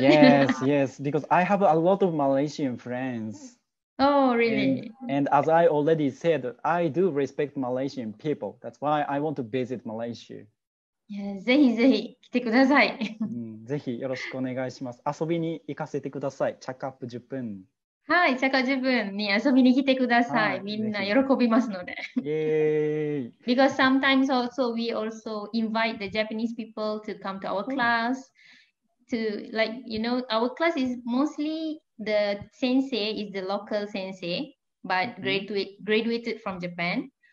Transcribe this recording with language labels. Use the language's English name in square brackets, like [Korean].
[English] Yes, because I have a lot of Malaysian friends. Oh, really? And as I already said, I do respect Malaysian people. That's why I want to visit Malaysia. [Japanese] Yes, ぜひぜひ来てください。ぜひよろしくお願いします。遊びに行かせてください。チャカップ10分。はい、チャカ10分に遊びに来てください。みんな喜びますので。 [English] Yay! Because sometimes also we also invite the Japanese people to come to our class. To like, you know, our class is mostly the sensei is the local sensei, but graduated from Japan.